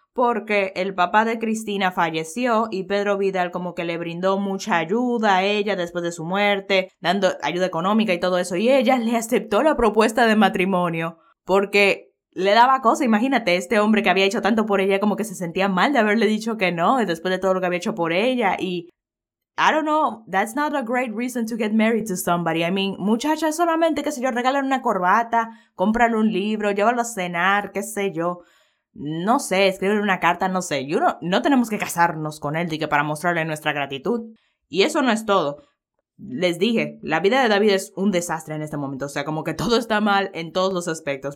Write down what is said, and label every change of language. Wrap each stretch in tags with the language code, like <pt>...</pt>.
<es>porque el papá de Cristina falleció y Pedro Vidal como que le brindó mucha ayuda a ella después de su muerte, dando ayuda económica y todo eso, y ella le aceptó la propuesta de matrimonio porque le daba cosa. Imagínate, este hombre que había hecho tanto por ella como que se sentía mal de haberle dicho que no después de todo lo que había hecho por ella.</es> <en>Y I don't know, that's not a great reason to get married to somebody. I mean,</en> <es>muchacha, solamente, qué sé yo, regalar una corbata, comprar un libro, llevarlo a cenar, qué sé yo. No sé, escribirle una carta, no sé. You no tenemos que casarnos con él, dije, para mostrarle nuestra gratitud. Y eso no es todo. Les dije, la vida de David es un desastre en este momento. O sea, como que todo está mal en todos los aspectos.</es>